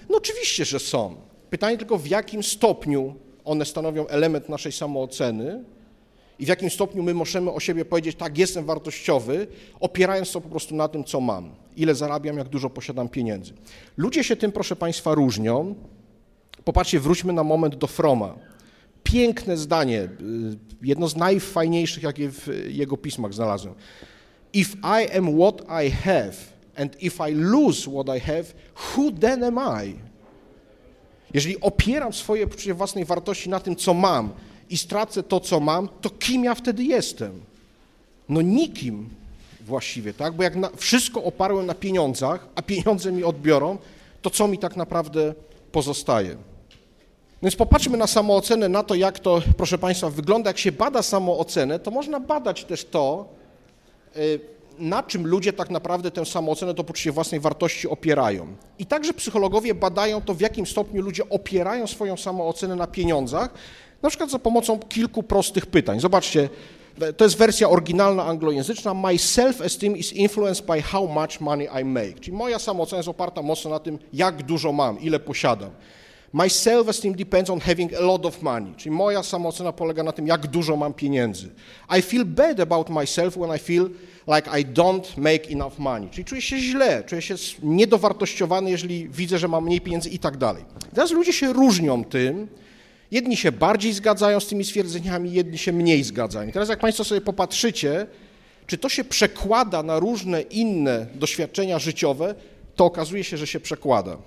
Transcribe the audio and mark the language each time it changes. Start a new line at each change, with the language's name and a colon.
Polish: No oczywiście, że są. Pytanie tylko, w jakim stopniu one stanowią element naszej samooceny i w jakim stopniu my możemy o siebie powiedzieć, tak, jestem wartościowy, opierając to po prostu na tym, co mam, ile zarabiam, jak dużo posiadam pieniędzy. Ludzie się tym, proszę Państwa, różnią. Popatrzcie, wróćmy na moment do Fromma. piękne zdanie, jedno z najfajniejszych, jakie w jego pismach znalazłem.
English: If I am what I have, and if I lose what I have, who then am I?
Polish: Jeżeli opieram swoje poczucie własnej wartości na tym, co mam i stracę to, co mam, to kim ja wtedy jestem? No nikim właściwie, tak? Bo jak wszystko oparłem na pieniądzach, a pieniądze mi odbiorą, to co mi tak naprawdę pozostaje? No więc popatrzmy na samoocenę, na to, jak to, proszę Państwa, wygląda. Jak się bada samoocenę, to można badać też to, na czym ludzie tak naprawdę tę samoocenę, to poczucie własnej wartości opierają. I także psychologowie badają to, w jakim stopniu ludzie opierają swoją samoocenę na pieniądzach, na przykład za pomocą kilku prostych pytań. Zobaczcie, to jest wersja oryginalna anglojęzyczna.
English: My self-esteem is influenced by how much money I make.
Polish: Czyli moja samoocena jest oparta mocno na tym, jak dużo mam, ile posiadam.
English: My self-esteem depends on having a lot of money.
Polish: Czyli moja samoocena polega na tym, jak dużo mam pieniędzy.
English: I feel bad about myself when I feel like I don't make enough money.
Polish: Czyli czuję się źle, czuję się niedowartościowany, jeżeli widzę, że mam mniej pieniędzy i tak dalej. Teraz ludzie się różnią tym. Jedni się bardziej zgadzają z tymi stwierdzeniami, jedni się mniej zgadzają. I teraz jak Państwo sobie popatrzycie, czy to się przekłada na różne inne doświadczenia życiowe, to okazuje się, że się przekłada.